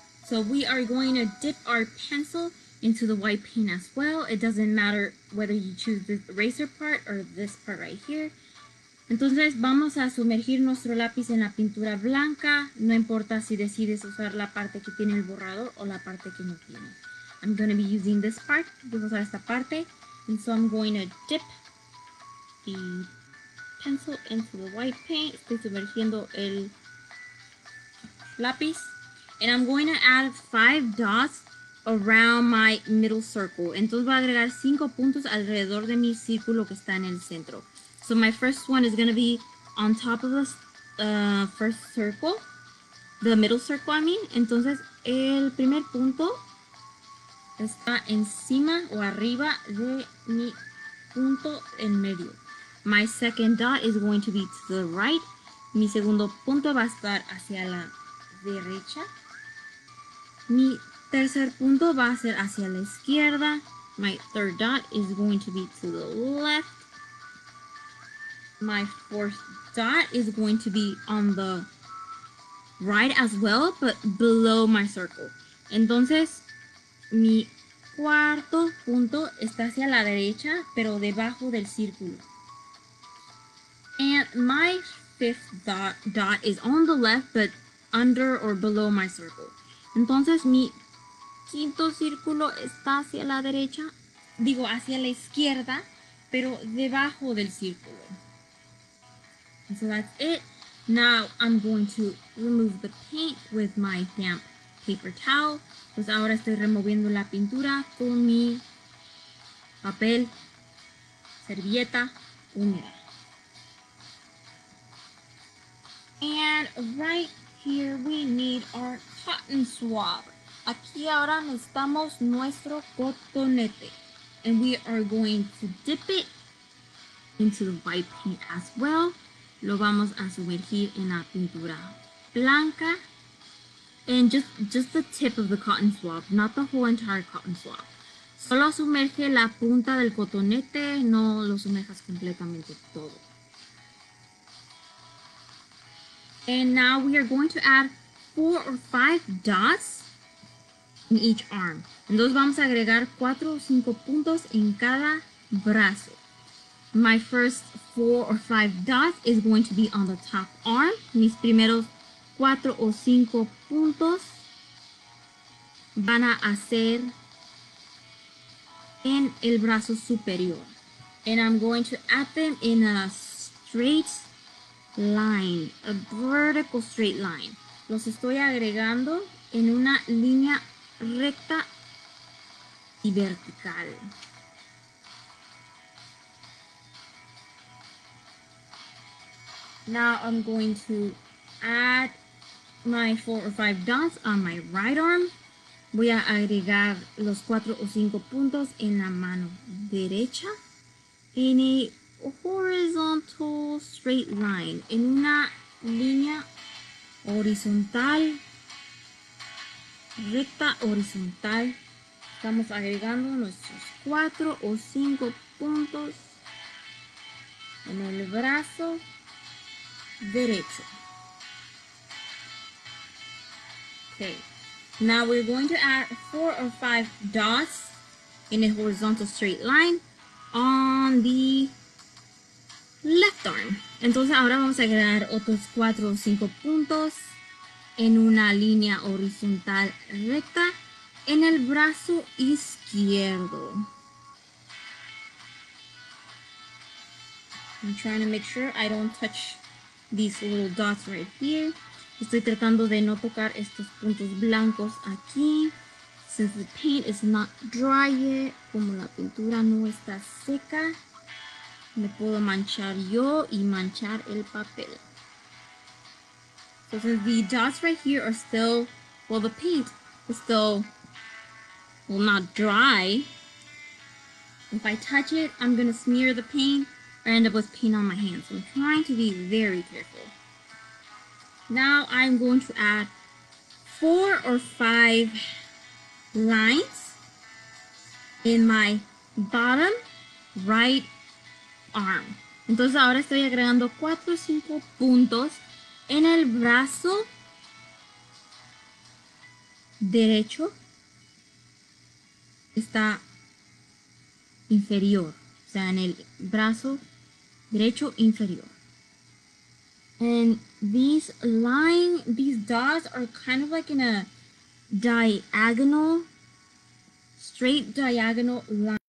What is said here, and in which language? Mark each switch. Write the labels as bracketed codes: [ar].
[en] So we are going to dip our pencil into the white paint as well. It doesn't matter whether you choose the eraser part or this part right here. [es] Entonces vamos a sumergir nuestro lápiz en la pintura blanca. No importa si decides usar la parte que tiene el borrador o la parte que no tiene. [en] I'm going to be using this part. [es] Voy a usar esta parte. [en] And so I'm going to dip the pencil into the white paint. [es] Estoy sumergiendo el lápiz. [en] And I'm going to add 5 dots around my middle circle. [es] Entonces voy a agregar 5 puntos alrededor de mi círculo que está en el centro. [en] So my first one is going to be on top of the first circle. The middle circle, I mean. [es] Entonces el primer punto está encima o arriba de mi punto en medio. [en] My second dot is going to be to the right. [es] Mi segundo punto va a estar hacia la derecha. Mi tercer punto va a ser hacia la izquierda. [en] My third dot is going to be to the left. My fourth dot is going to be on the right as well, but below my circle. [es] Entonces, mi cuarto punto está hacia la derecha, pero debajo del círculo. [en] And my fifth dot is on the left, but under or below my circle. [es] Entonces, mi quinto círculo está hacia la derecha, digo, hacia la izquierda, pero debajo del círculo. [en] And so that's it. Now, I'm going to remove the paint with my damp paper towel. [es] Pues ahora estoy removiendo la pintura con mi papel, servilleta húmeda. [en] And right here we need our cotton swab. [es] Aquí ahora necesitamos nuestro cotonete. [en] And we are going to dip it into the white paint as well. [es] Lo vamos a sumergir en la pintura blanca. [en] And just the tip of the cotton swab, not the whole entire cotton swab. [es] Solo sumerge la punta del cotonete, no lo sumerjas completamente todo. [en] And now we are going to add 4 or 5 dots in each arm. [es] Entonces vamos a agregar 4 o 5 puntos en cada brazo. [en] My first 4 or 5 dots is going to be on the top arm. [es] Mis primeros 4 o 5 puntos van a hacer en el brazo superior. [en] And I'm going to add them in a straight line, a vertical straight line. [es] Los estoy agregando en una línea recta y vertical. [en] Now I'm going to add my 4 or 5 dots on my right arm. [es] Voy a agregar los 4 o 5 puntos en la mano derecha. [en] In a horizontal straight line, [es] en una línea horizontal, recta horizontal, estamos agregando nuestros 4 o 5 puntos en el brazo derecho. [en] Okay, now we're going to add 4 or 5 dots in a horizontal straight line on the left arm. [es] Entonces ahora vamos a agregar otros 4 o 5 puntos en una línea horizontal recta en el brazo izquierdo. [en] I'm trying to make sure I don't touch these little dots right here. [es] Estoy tratando de no tocar estos puntos blancos aquí. [en] Since the paint is not dry yet, [es] como la pintura no está seca, me puedo manchar yo y manchar el papel. [en] So since the dots right here are still, well, the paint is still, well, not dry, if I touch it, I'm going to smear the paint or end up with paint on my hands. So I'm trying to be very careful. Now I'm going to add 4 or 5 lines in my bottom right arm. [es] Entonces ahora estoy agregando 4 o 5 puntos en el brazo derecho. Está inferior, o sea, en el brazo derecho inferior. [en] And these dots are kind of like in a diagonal, straight diagonal line.